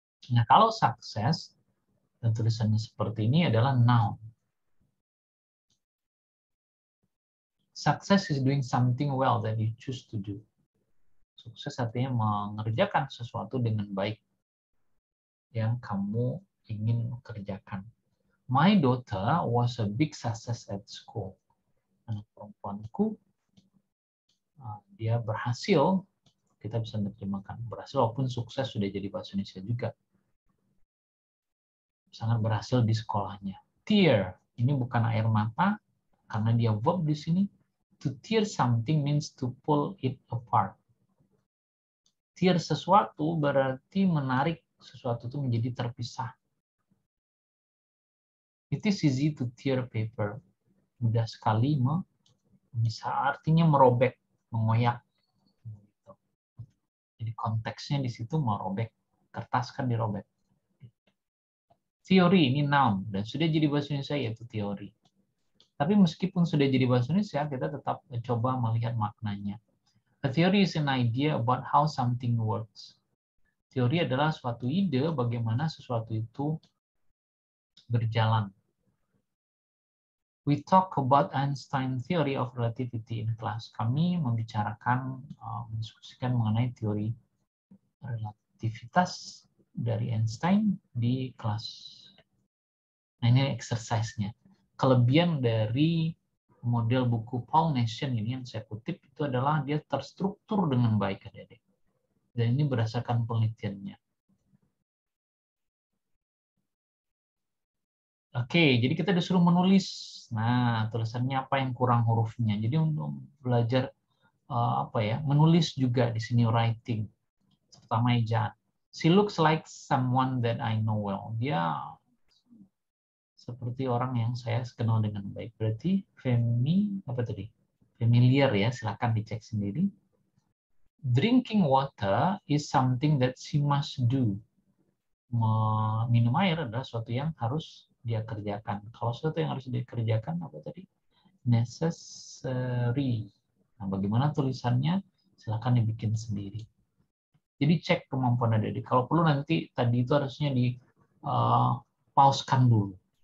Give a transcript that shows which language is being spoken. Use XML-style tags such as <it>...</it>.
<id>Nah, kalau success, dan tulisannya seperti ini adalah noun.</id> <en>Success is doing something well that you choose to do.</en> <id>Sukses artinya mengerjakan sesuatu dengan baik yang kamu ingin kerjakan.</id> <en>My daughter was a big success at school.</en> <id>Anak perempuanku, dia berhasil, kita bisa menerjemahkan. Berhasil walaupun sukses sudah jadi bahasa Indonesia juga. Sangat berhasil di sekolahnya. Tear, ini bukan air mata, karena dia verb di sini.</id> <en>To tear something means to pull it apart. Tear</en> <id>sesuatu berarti menarik sesuatu itu menjadi terpisah.</id> <en>It is easy to tear paper.</en> <id>Mudah sekali memisah, artinya merobek, mengoyak. Jadi konteksnya di situ merobek, kertas kan dirobek. Teori ini noun dan sudah jadi bahasa Indonesia yaitu teori. Tapi meskipun sudah jadi bahasa Indonesia, kita tetap coba melihat maknanya.</id> <en>A theory is an idea about how something works.</en> <id>Teori adalah suatu ide bagaimana sesuatu itu berjalan.</id> <en>We talk about Einstein's theory of relativity in class.</en> <id>Kami membicarakan, mendiskusikan mengenai teori relativitas dari Einstein di kelas. Nah, ini exercise-nya. Kelebihan dari model buku Paul Nation ini yang saya kutip itu adalah dia terstruktur dengan baik, adik-adik. Dan ini berdasarkan penelitiannya. Oke, jadi kita disuruh menulis. Nah, tulisannya apa yang kurang hurufnya? Jadi untuk belajar apa ya, menulis juga di sini writing, terutama ejaan.</id> <en>She looks like someone that I know well.</en> <id>Dia seperti orang yang saya kenal dengan baik. Berarti femi apa tadi? Familiar ya, silakan dicek sendiri.</id> <en>Drinking water is something that she must do.</en> <id>Minum air adalah sesuatu yang harus dia kerjakan. Kalau sesuatu yang harus dikerjakan apa tadi? Necessary. Nah, bagaimana tulisannya? Silakan dibikin sendiri. Jadi cek kemampuan adik-adik. Kalau perlu nanti tadi itu harusnya di pauskan dulu.</id>